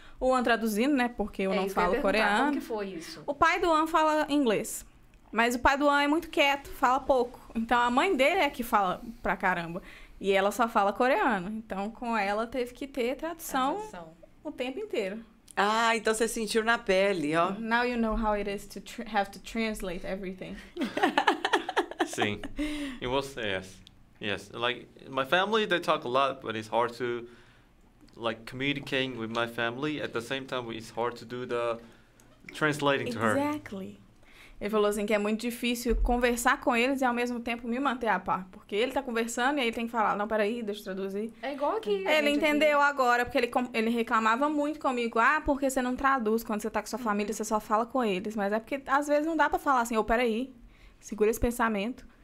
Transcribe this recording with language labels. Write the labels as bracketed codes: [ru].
[pt] O An traduzindo, né? Porque eu não falo coreano. Como que foi isso? O pai do An fala inglês. Mas o pai do An é muito quieto, fala pouco. Então, a mãe dele é que fala pra caramba. E ela só fala coreano. Então, com ela, teve que ter tradução o tempo inteiro. Ah, então você sentiu na pele, ó. [en] Now you know how it is to have to translate everything. [pt] Sim. [en] It was, yes. Yes. Like, my family, they talk a lot, but it's hard to... like communicating with my family at the same time it's hard to do the translating exactly. to her. Exactly. [pt] Ele falou assim que é muito difícil conversar com eles e ao mesmo tempo me manter a par, porque ele tá conversando e aí ele tem que falar, não, peraí, deixa eu traduzir. É igual aqui. Ele entendeu agora, porque ele reclamava muito comigo, ah, porque você não traduz quando você tá com sua família, você só fala com eles, mas é porque às vezes não dá pra falar assim, ô, peraí, segura esse pensamento.